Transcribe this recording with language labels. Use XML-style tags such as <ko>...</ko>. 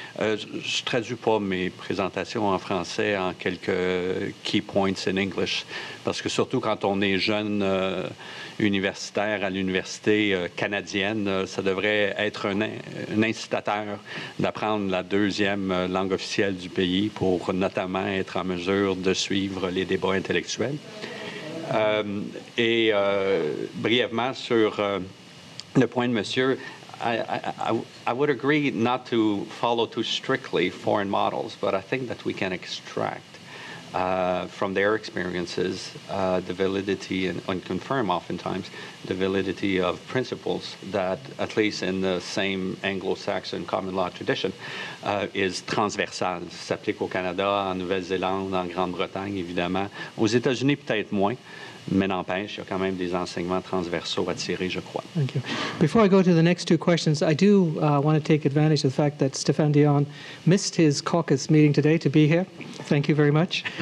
<fr>Je ne traduis pas mes présentations en français en quelques</fr> <en>key points in English,</en> <fr>parce que surtout quand on est jeune universitaire à l'université canadienne, ça devrait être un incitateur d'apprendre la deuxième langue officielle du pays pour notamment être en mesure de suivre les débats intellectuels. Brièvement, sur le point de monsieur,</fr> <en>I would agree not to follow too strictly foreign models, but I think that we can extract from their experiences the validity and confirm oftentimes the validity of principles that, at least in the same Anglo-Saxon common law tradition, is transversal.</en> <fr>Ça s'applique au Canada, en Nouvelle-Zélande, en Grande-Bretagne, évidemment. Aux États-Unis, peut-être moins. Mais n'empêche, il y a quand même des enseignements transversaux à tirer, je crois.</fr> <en>Thank you. Before I go to the next two questions, I do want to take advantage of the fact that Stéphane Dion missed his caucus meeting today to be here. Thank you very much.</en>